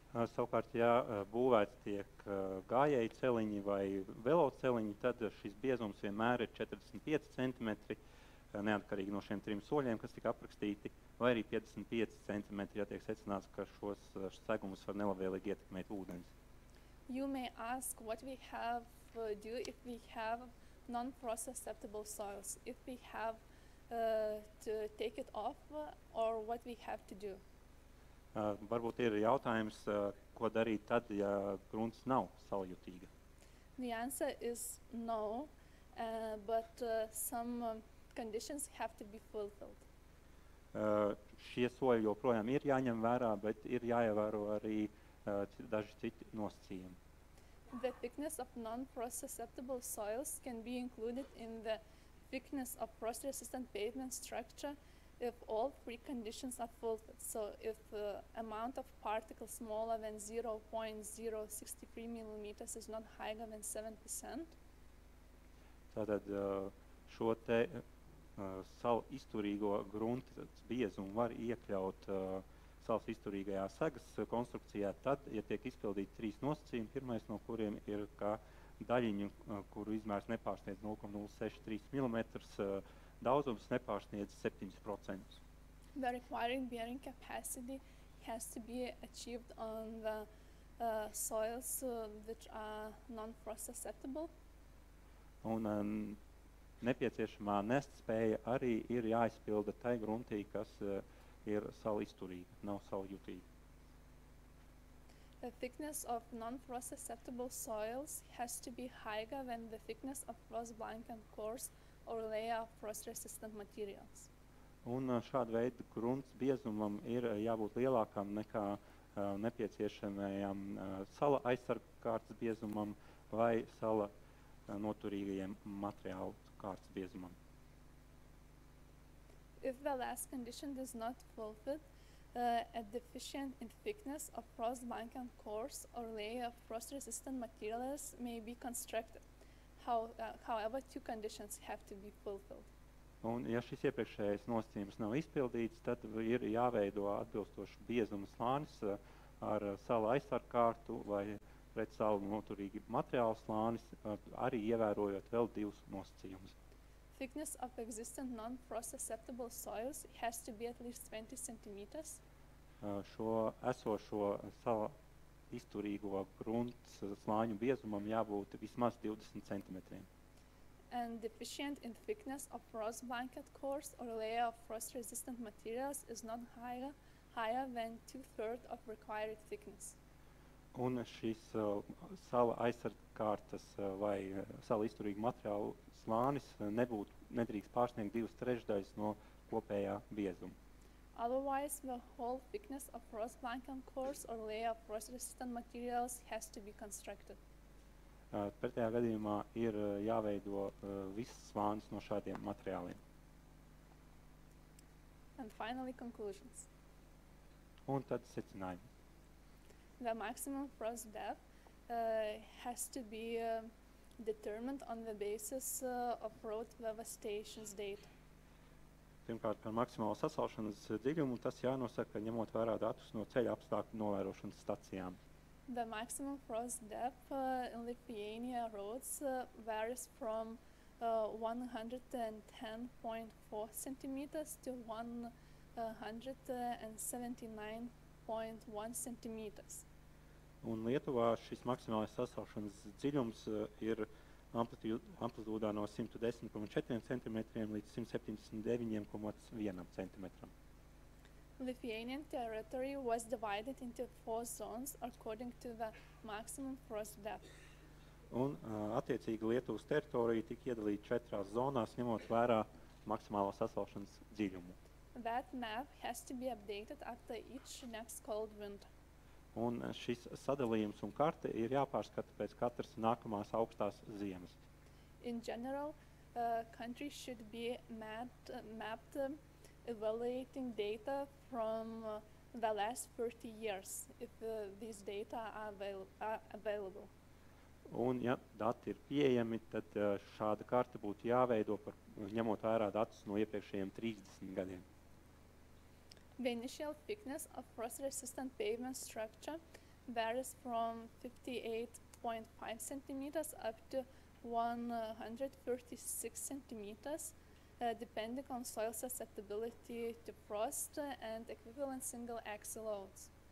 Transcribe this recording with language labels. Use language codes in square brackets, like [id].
[lv] Savukārt, ja būvēts tiek gājēji celiņi vai velo celiņi, tad šis biezums vienmēr ir 45 centimetri, neatkarīgi no šiem trim soļiem, kas tika aprakstīti, vai arī 55 centimetri, ja tiek secināts, ka šos segumus var nelabvēlīgi ietekmēt ūdens. [en] You may ask what we have do if we have non-frost susceptible soils, if we have to take it off or what we have to do. [lv] Varbūt ir jautājums, ko darīt tad, ja grunts nav saljutīga? [en] The answer is no, but some conditions have to be fulfilled. [lv] Šie soļi joprojām ir jāņem vērā, bet ir jāievēro arī daži citi nosacījumi. [en] The thickness of non-frost susceptible soils can be included in the thickness of frost-resistant pavement structure if all three conditions are fulfilled. So if the amount of particles smaller than 0.063 millimeters is not higher than 7%. [lv] Tātad šo te salu izturīgo gruntas biezumu var iekļaut salas izturīgajā segas konstrukcijā, tad, ja tiek izpildīti trīs nosacījumi, pirmais no kuriem ir, ka daļiņu, kuru izmērs nepārsniedz 0.063 millimetrs, daudzums nepārsniedz 7%. [en] The required bearing capacity has to be achieved on the soils which are non-frost susceptible. [lv] Un nepieciešamā nestspēja arī ir jāizpilda tai gruntī, kas ir sali izturīga, nav sali jutīga. [en] The thickness of non-frost susceptible soils has to be higher than the thickness of frost blanket cores or layer of frost-resistant materials. [lv] Un šāda veida grunts biezumam ir jābūt lielākam nekā nepieciešamajam sala aizsargkārtas biezumam vai sala noturīgajiem materiālu kārtas biezumam. [en] If the last condition does not fulfill a deficient in thickness of frost bank and course or layer of frost resistant materials may be constructed. However, two conditions have to be fulfilled. [lv] Un ja šis iepriekšējais nosacījums nav izpildīts, tad ir jāveido atbilstošs biezuma slānis ar sala aizsargkārtu vai pret salu noturīgi materiālu slānis, arī ievērojot vēl divus nosacījumus. [en] Thickness of existent non-frost susceptible soils has to be at least 20 cm. [lv] Šo esošo sala izturīgo grunts slāņu biezumam jābūt vismaz 20 cm. [en] And deficient in thickness of frost blanket cores or layer of frost resistant materials is not higher than 2/3 of required thickness. [lv] Un šis sala aizsargkārtas vai sala izturīgu materiālu slānis nedrīkst pārsniegt 2/3 no kopējā biezuma. [en] Otherwise, the whole thickness of frost blanket cores or layer of frost resistant materials has to be constructed. [lv] Pretējā gadījumā ir jāveido viss slānis no šādiem materiāliem. [en] And finally, conclusions. [lv] Un tad secinājumi. [en] The maximum frost depth has to be determined on the basis of road weather stations data. [lv] Pirmkārt, par maksimālo sasaušanas dziļumu tas jānosaka, ņemot vērā datus no ceļa apstākļu novērošanas stacijām. [en] The maximum frost depth in Lithuania roads varies from 110.4 centimeters to 179.1 centimeters. [lv] Un Lietuvā šis maksimālais sasaušanas dziļums ir amplitūdā no 110.4 centimetriem līdz 179.1 centimetram. [en] Lithuanian territory was divided into four zones according to the maximum frost depth. [lv] Un attiecīgi Lietuvas teritorija tika iedalīta četrās zonās, ņemot vērā maksimālo sasaušanas dziļumu. [en] That map has to be updated after each next cold winter. [lv] Un šis sadalījums un karte ir jāpārskata pēc katras nākamās augstās ziemas. [en] In general, country should be mapped evaluating data from the last 30 years, if these data are available. [lv] Un, ja dati ir pieejami, tad šāda karte būtu jāveido, ņemot vērā datus no iepriekšējiem 30 gadiem. [en] The initial thickness of frost-resistant pavement structure varies from 58.5 centimeters up to 136 centimeters, depending on soil susceptibility to frost and equivalent single axle loads.